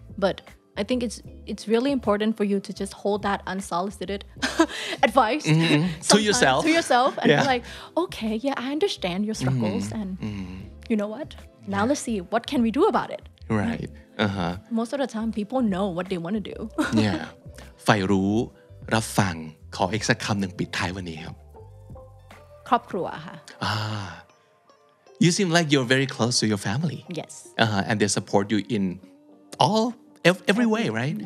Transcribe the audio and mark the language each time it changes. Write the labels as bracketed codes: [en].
[en] But I think it's really important for you to just hold that unsolicited advice to yourself and be like, okay, yeah, I understand your struggles and you know what? Now let's see, what can we do about it? Right. Most of the time, people know what they want to do. Yeah. [th] ฝ่ายรู้รับฟังขออีกสักคำหนึ่งปิดท้ายวันนี้ครับ ครอบครัวค่ะ [en] You seem like you're very close to your family. Yes. And they support you in all every way, right?